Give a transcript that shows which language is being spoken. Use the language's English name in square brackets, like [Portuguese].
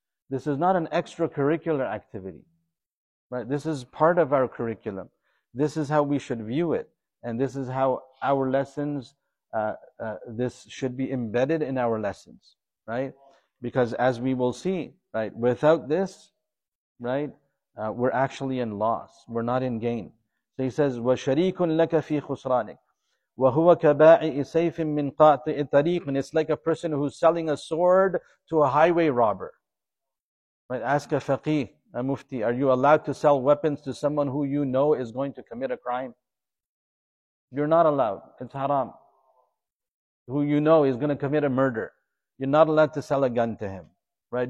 [English] This is not an extracurricular activity. Right, this is part of our curriculum. This is how we should view it. And this is how our lessons, this should be embedded in our lessons. Right? Because as we will see, right, without this, right, we're actually in loss. We're not in gain. So he says, [Arabic] وَشَرِيكٌ لَكَ فِي خُسْرَانِكَ وَهُوَ كَبَاعِئِ سَيْفٍ مِّن قَاطِئِ طَرِيقٍ. [English] It's like a person who's selling a sword to a highway robber. Right? Ask a faqih. A mufti, are you allowed to sell weapons to someone who you know is going to commit a crime? You're not allowed. It's haram. Who you know is going to commit a murder. You're not allowed to sell a gun to him, right?